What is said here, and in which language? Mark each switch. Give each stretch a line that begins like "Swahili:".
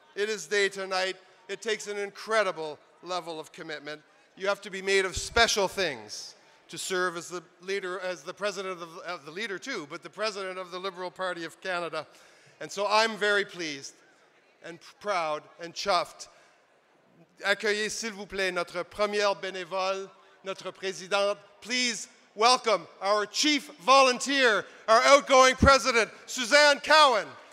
English: It is day to night. It takes an incredible level of commitment. You have to be made of special things to serve as the leader, as the president of the leader too, but the president of the Liberal Party of Canada. And so I'm very pleased and proud and chuffed.
French: Accueillez, s'il vous plaît, notre première bénévole, notre présidente.
English: Please welcome our chief volunteer, our outgoing president, Suzanne Cowan.